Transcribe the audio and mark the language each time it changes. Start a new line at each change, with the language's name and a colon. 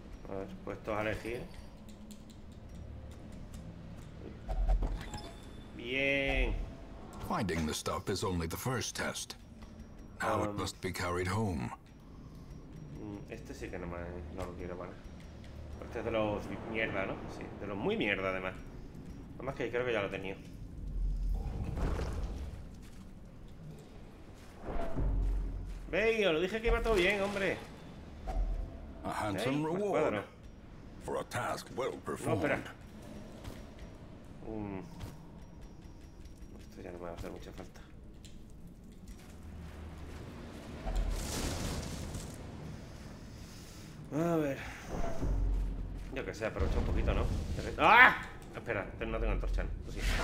Spanish: A ver, puestos a elegir. Bien.
English: Finding the stuff is only the first test. Now it must be carried home.
Spanish: Este sí que no me, no lo quiero, vale. Este es de los mierda, ¿no? Sí, de los muy mierda, además. Además que creo que ya lo he tenido. ¡Ey! Lo dije que iba todo bien, hombre.
English: A handsome reward for a task well performed.
Spanish: No, espera. Esto ya no me va a hacer mucha falta. A ver. Yo que sé, aprovecho un poquito, ¿no? ¡Ah! Espera, no tengo antorcha. Pues sí.